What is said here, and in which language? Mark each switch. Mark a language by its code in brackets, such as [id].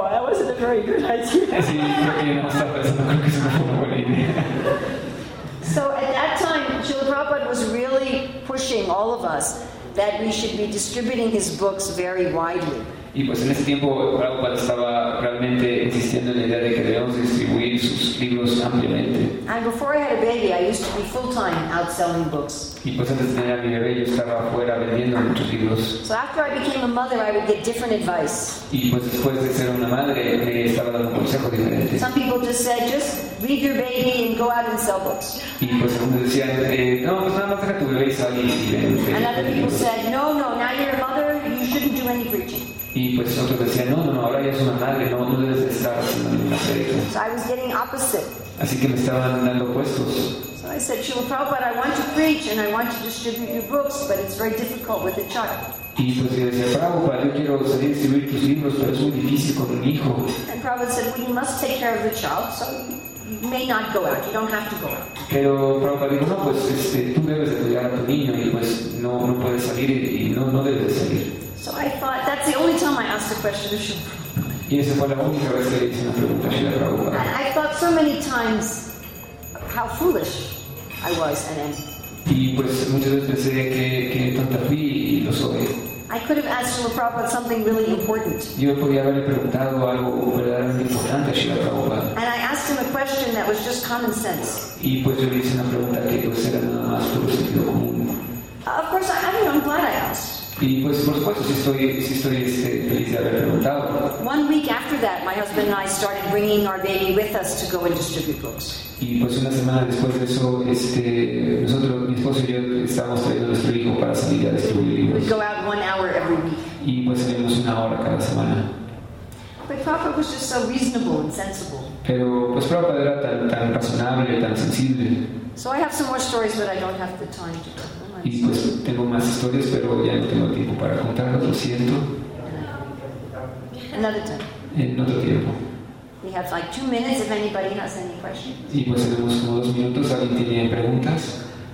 [en] I guess I do. I didn't. I was just thinking. Oh, that wasn't a very good idea. So at that time, Srila Prabhupada was really pushing all of us that we should be distributing his books very widely. [es] Y pues en ese tiempo Prabhupada estaba realmente insistiendo en la idea de que debemos distribuir sus libros ampliamente. [en] And before I had a baby, I used to be full-time out selling books. [es] Y pues antes de tener a mi bebé, yo estaba afuera vendiendo muchos libros. [en] So after I became a mother, I would get different advice. [es] Y pues después de ser una madre, me estaba dando un consejo diferente. [en] Some people just said, just leave your baby and go out and sell books. [es] Y pues algunos decían, no, pues nada más deja tu bebé y sal y vende. [en] And other people said, no, no, now you're a mother, you shouldn't do any preaching. [es] Y pues otros decían, no, ahora ya es una madre, no debes estar haciendo ninguna predica. [en] So I was getting opposite. [es] Así que me estaban dando opuestos. [en] So I said, Srila Prabhupada, I want to preach and I want to distribute your books, but it's very difficult with a child. [es] Y pues yo decía, Prabhupada, yo quiero salir a distribuir tus libros, pero es muy difícil con un hijo. [en] And Prabhupada said, well, you must take care of the child, so you may not go out, you don't have to go out. [es] Pero Prabhupada dijo, no, pues tú debes de cuidar a tu niño y pues no puedes salir y no debes de salir. [en] So I thought, that's the only time I asked a question of Srila [es] Prabhupada. Y esa fue la única vez que le hice una pregunta a Srila Prabhupada. [en] I thought so many times how foolish I was and am. [es] Y pues muchas veces pensé que tonta fui y lo soy. [en] I could have asked Srila Prabhupada something really important. [es] Yo podía haberle preguntado algo verdaderamente importante a Srila Prabhupada. [en] And I asked him a question that was just common sense. [es] Y pues yo le hice una pregunta que pues era nada más por sentido común. [en] Of course, I'm glad I asked. [es] Y pues por supuesto si estoy feliz de haber preguntado. [en] One week after that, my husband and I started bringing our baby with us to go and distribute books. [es] Y pues una semana después de eso, nosotros, mi esposo y yo, estábamos trayendo nuestro hijo para salir a distribuir libros. [en] We'd go out 1 hour every week. [es] Y pues salíamos 1 hora cada semana. [en] But Prabhupada was just so reasonable and sensible. [es] Pero pues Prabhupada era tan razonable, tan sensible. [en] So I have some more stories, but I don't have the time to tell. [es] Y pues tengo más historias, pero ya no tengo tiempo para contarlas, lo siento. [en] Another time. [es] En otro tiempo. [en] We have like 2 minutes if anybody has any questions. [es] Y pues tenemos como 2 minutos, ¿alguien tiene preguntas?